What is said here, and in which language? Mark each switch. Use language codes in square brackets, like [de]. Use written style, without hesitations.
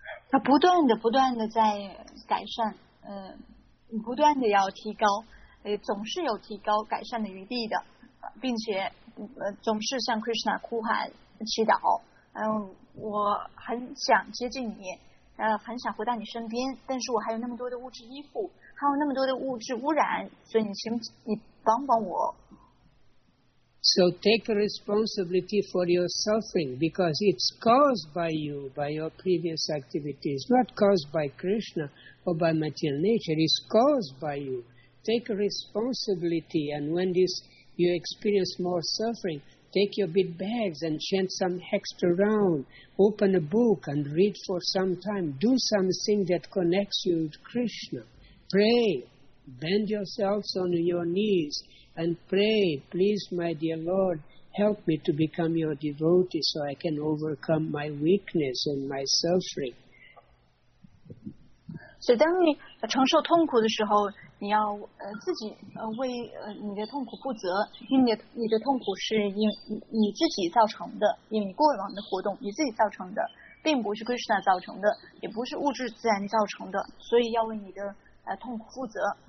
[zh] 他不断的、不断的在改善，不断的要提高，总是有提高、改善的余地的，并且总是向 Krishna 呼喊、祈祷。我很想接近你，很想回到你身边，但是我还有那么多的物质依附，还有那么多的物质污染，所以你帮帮我。 [en] So take a responsibility for your suffering because it's caused by you, by your previous activities, not caused by Krishna or by material nature. It's caused by you. Take a responsibility, and when this you experience more suffering, take your big bags and chant some extra round. Open a book and read for some time. Do something that connects you to Krishna. Pray. Bend yourselves on your knees. And pray, please, my dear Lord, help me to become your devotee so I can overcome my weakness and my suffering. [zh] 所以当你承受痛苦的时候，你要自己为你的痛苦负责，因为你的痛苦是你自己造成的，因为你过往的活动你自己造成的，并不是 Krishna 造成的，也不是物质自然造成的，所以要为你的痛苦负责。